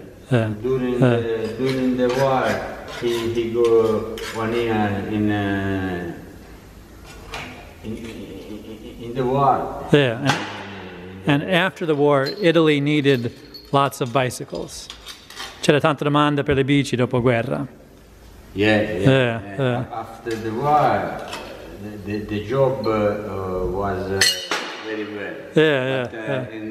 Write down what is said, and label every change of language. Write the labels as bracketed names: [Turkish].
[English] During the war, he go 1 year in the war. Yeah. And after the war, Italy needed lots of bicycles. [Italian] C'era tanta domanda per le bici dopo guerra. [English] Yeah. After the war, the job was very well.